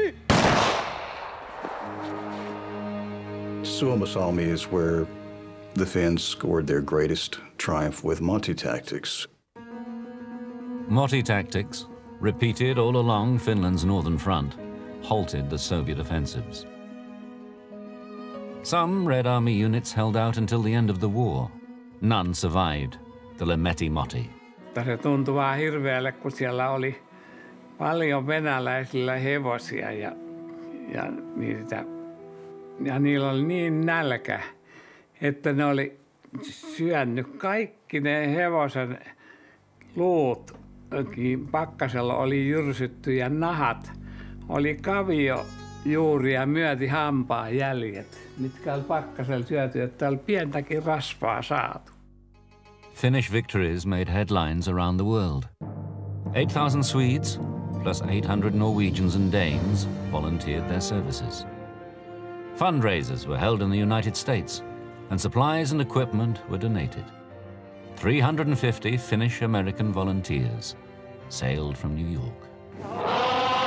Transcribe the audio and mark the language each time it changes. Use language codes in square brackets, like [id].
[en] Suomussalmi is where the Finns scored their greatest triumph with Motti tactics. Motti tactics, repeated all along Finland's northern front, halted the Soviet offensives. Some Red Army units held out until the end of the war. None survived the Lemetti Motti. [fi] Se tuntui vaan hirveälle, kun siellä oli paljon venäläisillä hevosia ja niitä. Ja niillä oli niin nälkä, että ne oli syönyt kaikki ne hevosen luut. Pakkasella oli jyrsytty ja nahat, oli kavio juuri ja myöti hampaan jäljet, mitkä oli pakkasella syöty, että oli pientäkin rasvaa saatu. [en] Finnish victories made headlines around the world. 8,000 Swedes plus 800 Norwegians and Danes volunteered their services. Fundraisers were held in the United States and supplies and equipment were donated. 350 Finnish-American volunteers sailed from New York.